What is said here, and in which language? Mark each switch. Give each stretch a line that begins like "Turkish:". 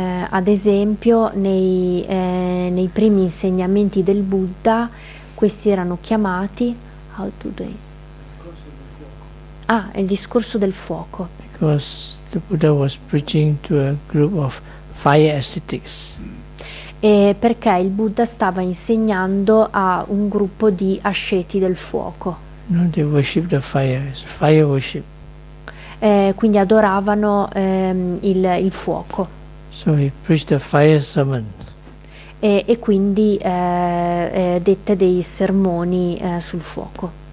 Italian: Ad esempio nei primi insegnamenti del Buddha questi erano chiamati
English: how do they?
Italian: Il discorso del fuoco.
English: Because the Buddha was preaching to a group of fire ascetics.
Italian: Perché il Buddha stava insegnando a un gruppo di asceti del fuoco.
English: No, they worship the fire, it's fire worship.
Italian: Quindi adoravano il fuoco.
English: So he preached a fire sermon.
Italian: E quindi dette dei sermoni sul fuoco.